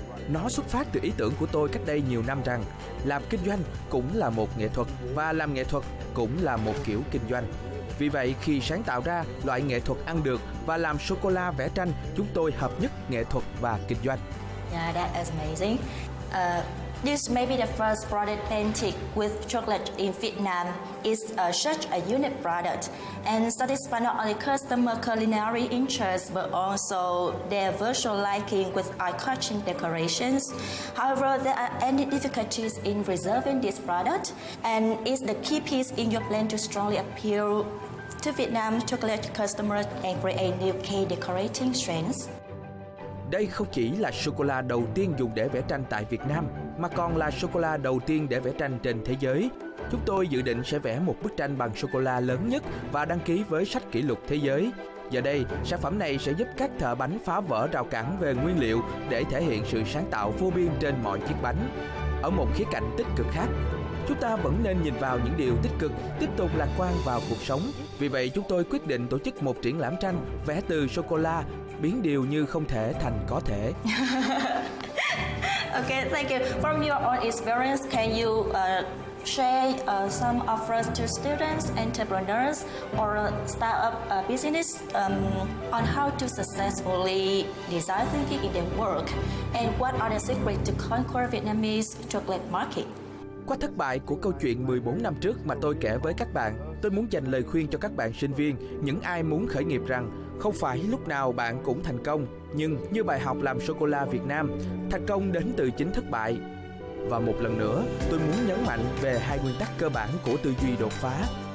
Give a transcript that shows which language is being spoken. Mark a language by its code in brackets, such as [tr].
[vi] Nó xuất phát từ ý tưởng của tôi cách đây nhiều năm rằng làm kinh doanh cũng là một nghệ thuật và làm nghệ thuật cũng là một kiểu kinh doanh. Vì vậy khi sáng tạo ra loại nghệ thuật ăn được và làm sô-cô-la vẽ tranh, chúng tôi hợp nhất nghệ thuật và kinh doanh. [en] Yeah, that is amazing. This may be the first product painted with chocolate in Vietnam. It's such a unique product and satisfies not only customer culinary interests but also their visual liking with eye-catching decorations. However, there are any difficulties in reserving this product and is the key piece in your plan to strongly appeal to Vietnam chocolate customers and create new key decorating trends. [vi] Đây không chỉ là sô-cô-la đầu tiên dùng để vẽ tranh tại Việt Nam, mà còn là sô-cô-la đầu tiên để vẽ tranh trên thế giới. Chúng tôi dự định sẽ vẽ một bức tranh bằng sô-cô-la lớn nhất và đăng ký với sách kỷ lục thế giới. Giờ đây, sản phẩm này sẽ giúp các thợ bánh phá vỡ rào cản về nguyên liệu để thể hiện sự sáng tạo vô biên trên mọi chiếc bánh. Ở một khía cạnh tích cực khác, chúng ta vẫn nên nhìn vào những điều tích cực, tiếp tục lạc quan vào cuộc sống. Vì vậy, chúng tôi quyết định tổ chức một triển lãm tranh vẽ từ sô-cô-la, biến điều như không thể thành có thể. [en] Okay, thank you. From your own experience, can you share some offers to students, entrepreneurs, or startup business on how to successfully design thinking in their work? And what are the secrets to conquer Vietnamese chocolate market? [vi] Qua thất bại của câu chuyện 14 năm trước mà tôi kể với các bạn, tôi muốn dành lời khuyên cho các bạn sinh viên, những ai muốn khởi nghiệp rằng không phải lúc nào bạn cũng thành công, nhưng như bài học làm sô-cô-la Việt Nam, thành công đến từ chính thất bại. Và một lần nữa, tôi muốn nhấn mạnh về hai nguyên tắc cơ bản của tư duy đột phá.